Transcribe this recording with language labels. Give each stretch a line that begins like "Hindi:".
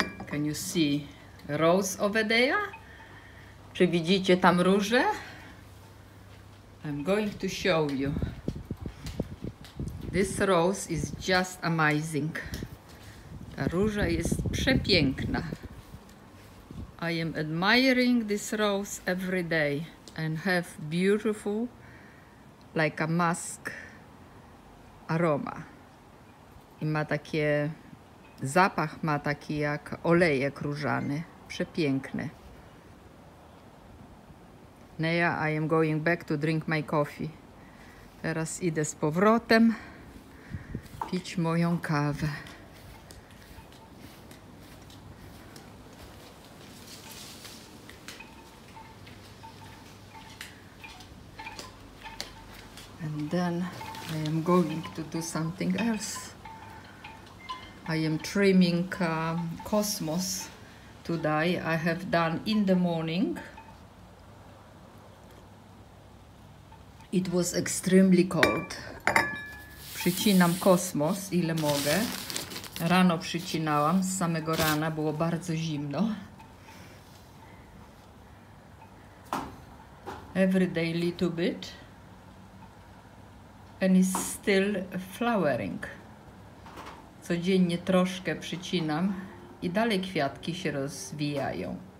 English: Can you see rose over there?
Polish: Czy widzicie tam róże?
English: I'm going to show you. This rose is just amazing.
Polish: Ta róża jest przepiękna.
English: I am admiring this rose every day and have beautiful, like a musk aroma.
Polish: I ma takie zapach ma taki jak olejek różany. Przepiękny.
English: Now I am going back to drink my coffee.
Polish: Teraz idę z powrotem pić moją kawę.
English: And then I am going to do something else. I am trimming cosmos today. I have done in the morning. It was extremely cold.
Polish: Przycinam kosmos, ile mogę. Rano przycinałam, z samego rana było bardzo zimno.
English: Every day little bit. And it's still flowering.
Polish: Codziennie troszkę przycinam i dalej kwiatki się rozwijają.